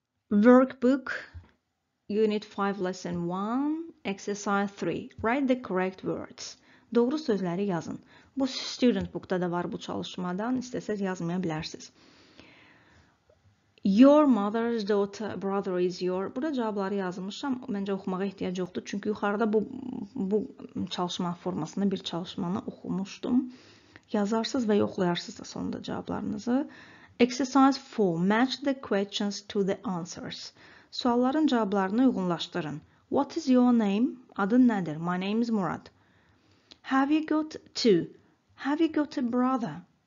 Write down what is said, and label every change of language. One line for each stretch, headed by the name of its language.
English: Workbook, Unit 5, Lesson 1, Exercise 3. Write the correct words.
Azerbaijani: Doğru sözləri yazın. Bu student book'da da var bu çalışmadan. İstəsəz yazmaya bilərsiniz.
English: Your mother's daughter, brother is your.
Azerbaijani: Burada cavabları yazmışam. Məncə oxumağa ehtiyac yoxdur. Çünki yuxarıda bu çalışma formasında bir çalışmanı oxumuşdum. Yazarsınız və yoxlayarsınız da sonunda cavablarınızı.
English: Exercise 4. Match the questions to the answers.
Azerbaijani: Sualların cavablarını uyğunlaşdırın.
English: What is your name?
Azerbaijani: Adın nədir?
English: My name is Murad. Have you got two? Have you got a brother?